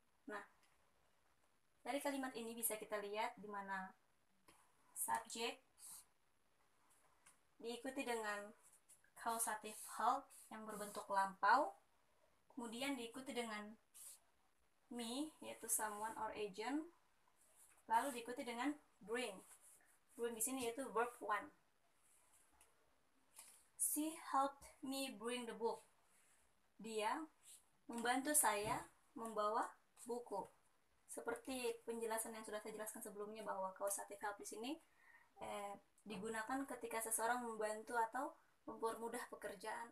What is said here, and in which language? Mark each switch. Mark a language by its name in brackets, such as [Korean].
[Indonesian] Nah, dari kalimat ini bisa kita lihat di mana subjek diikuti dengan causative help yang berbentuk lampau, kemudian diikuti dengan me yaitu [English] someone or agent, [Indonesian] lalu diikuti dengan bring. Bring di sini yaitu verb one. [English] She helped me bring the book. [Indonesian] Dia membantu saya membawa buku. Seperti penjelasan yang sudah saya jelaskan sebelumnya bahwa causative help di sini digunakan ketika seseorang membantu atau mempermudah pekerjaan.